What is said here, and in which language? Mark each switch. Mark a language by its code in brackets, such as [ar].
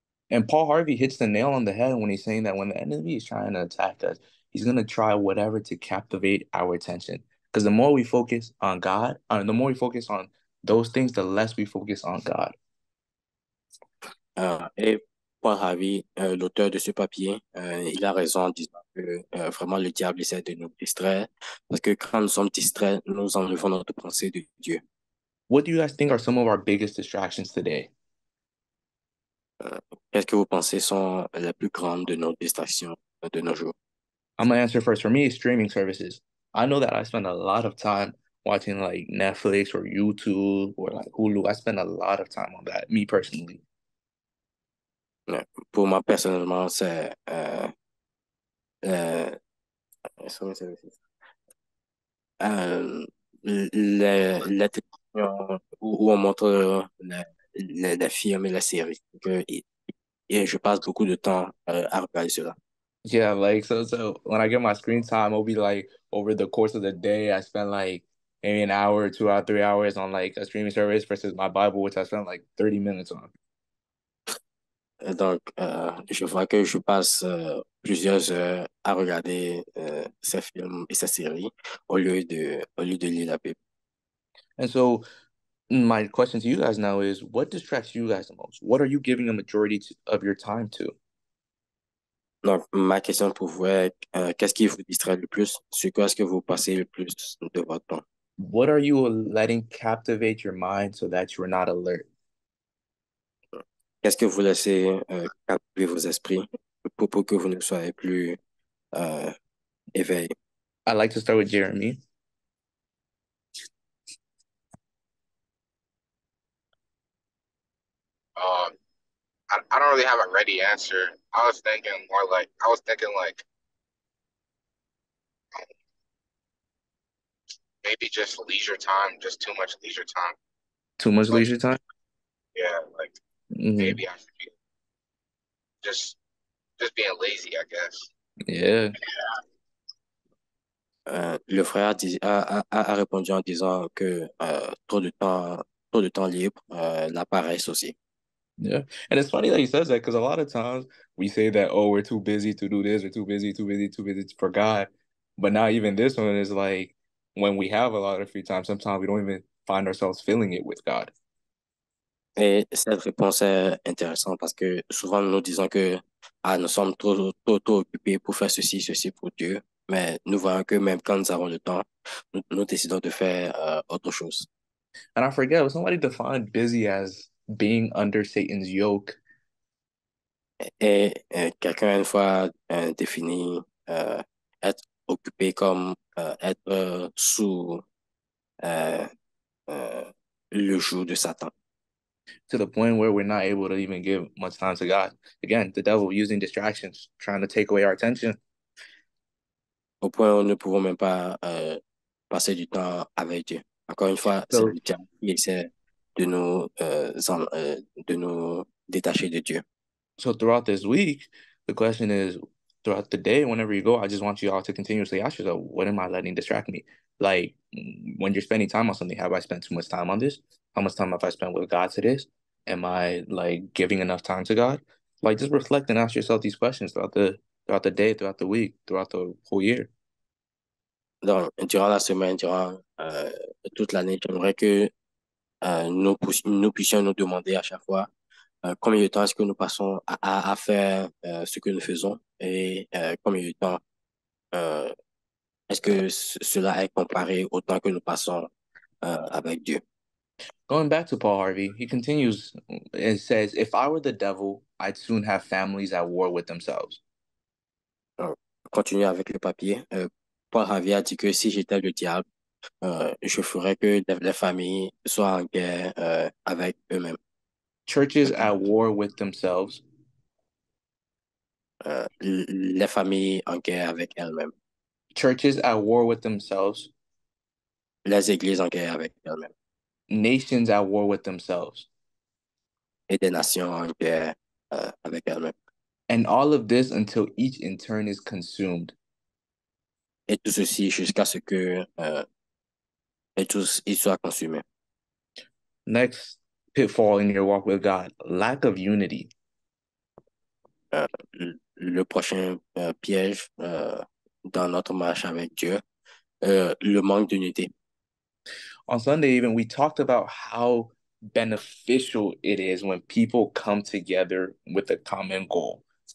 [en] And Paul Harvey hits the nail on the head when he's saying that when the enemy is trying to attack us, he's going to try whatever to captivate our attention. Because the more we focus on God, the more we focus on those things, the less we focus on God. [fr] Paul Harvey, l'auteur de ce papier, il a raison en disant que vraiment le diable essaie de nous distraire parce que quand nous sommes distraits, nous enlevons notre pensée de Dieu. [en] What do you guys think are some of our biggest distractions today? [fr] Qu'est-ce que vous pensez sont les plus grandes de nos distractions de nos jours? [en] I'm going to answer first. For me, it's streaming services. I know that I spend a lot of time watching like Netflix or YouTube or like Hulu. I spend a lot of time on that, me personally. [fr] Pour moi personnellement, c'est la télévision où on montre la film et la série. Et je passe beaucoup de temps à regarder cela. [en] Yeah, like so when I get my screen time, it'll be like over the course of the day, I spend like maybe an hour, 2 hours, 3 hours on like a streaming service versus my Bible, which I spent like 30 minutes on. [fr] Donc, je vois que je passe plusieurs heures à regarder ces films et ces séries au lieu de lire la Bible. [en] And so, my question to you guys now is, what distracts you guys the most? What are you giving a majority of your time to? [fr] Donc, ma question pour vous est, qu'est-ce qui vous distrait le plus? Sur quoi est-ce que vous passez le plus de votre temps? [en] What are you letting captivate your mind so that you're not alert? [fr] Qu'est-ce que vous laissez capter vos esprits pour que vous ne soyez plus éveillé? [en] I'd like to start with Jeremy. I don't really have a ready answer. I was thinking like maybe just leisure time, just too much leisure time. Too much leisure time? Yeah, like. Mm-hmm. Maybe I should be just just being lazy, I guess. Yeah. [fr] Le frère a répondu en disant que trop de temps libre, la paresse aussi. [en] Yeah, and it's funny that he says that because a lot of times we say that, oh, we're too busy to do this, we're too busy for God. But now even this one is like, when we have a lot of free time, sometimes we don't even find ourselves filling it with God. [fr] Et cette réponse est intéressante parce que souvent nous disons que ah, nous sommes trop occupés pour faire ceci pour Dieu. Mais nous voyons que même quand nous avons le temps, nous décidons de faire autre chose. [en] And I forget, somebody defined busy as being under Satan's yoke. [fr] Et quelqu'un une fois défini être occupé comme être sous le joug de Satan. [en] To the point where we're not able to even give much time to God. Again, the devil using distractions, trying to take away our attention. [fr] Au point où nous ne pouvons même pas passer du temps avec Dieu. Encore une fois, so, c'est le diable qui essaie de nous détacher de Dieu. [en] So throughout this week, the question is, throughout the day, whenever you go, I just want you all to continuously ask yourself, what am I letting distract me? Like, when you're spending time on something, have I spent too much time on this? How much time have I spent with God to this? Am I, like, giving enough time to God? Like, just reflect and ask yourself these questions throughout the day, throughout the week, throughout the whole year. [fr] Donc, durant la semaine, durant toute l'année, j'aimerais que nous puissions nous demander à chaque fois combien de temps est-ce que nous passons à faire ce que nous faisons et combien de temps est-ce que cela est comparé au temps que nous passons avec Dieu. [en] Going back to Paul Harvey, he continues and says, if I were the devil, I'd soon have families at war with themselves. [fr] Continue avec le papier. Paul Harvey a dit que si j'étais le diable, je ferais que les familles soient en guerre avec eux-mêmes. [en] Churches at war with themselves. [fr] Les familles en guerre avec elles-mêmes. [en] Churches at war with themselves. [fr] Les églises en guerre avec elles-mêmes. [en] Nations at war with themselves. [fr] Et des nations en guerre avec elles-mêmes. [en] And all of this until each in turn is consumed. [fr] Et tout ceci jusqu'à ce que et tout y soit consumé. [en] Next pitfall in your walk with God, lack of unity. [fr] Le prochain piège dans notre marche avec Dieu, le manque d'unité. [en] On Sunday even, we talked about how beneficial it is when people come together with a common goal.